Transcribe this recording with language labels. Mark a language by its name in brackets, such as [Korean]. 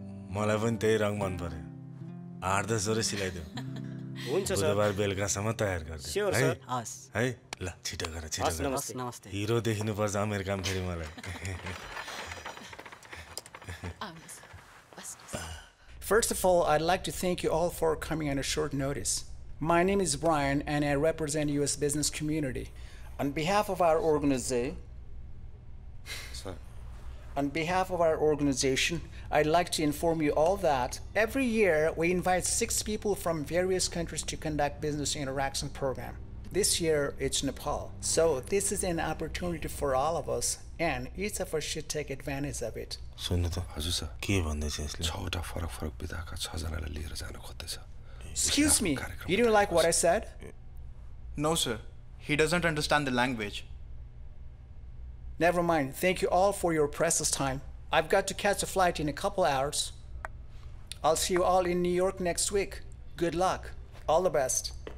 [Nepali] मलाई पनि त्यही रङ मन पर्यो 8-10 सिलाइदेऊ हुन्छ सर बुधबार बेलुकासम्म तयार गर्दिन्छु है हस है ल छिटो गर छिटो गर नमस्ते नमस्ते हिरो देखिनु पर्छ अमेरिकामा फेरि मलाई [English] First of all, I'd like to thank you all for coming on a short notice. My name is Brian, and I represent US business community. On behalf of our organization, I'd like to inform you all that every year we invite 6 people from various countries to conduct business interaction program. This year it's Nepal. So this is an opportunity for all of us and each of us should take advantage of it. [Nepali] सुन्नु त हजुर sir के भन्दैछ यसले 6 फरक फरक विधाका 6 लिएर जान खोज्दैछ [English] Excuse me, you don't like what I said? No sir, he doesn't understand the language. Never mind, thank you all for your precious time. I've got to catch a flight in a couple hours. I'll see you all in New York next week. Good luck. All the best.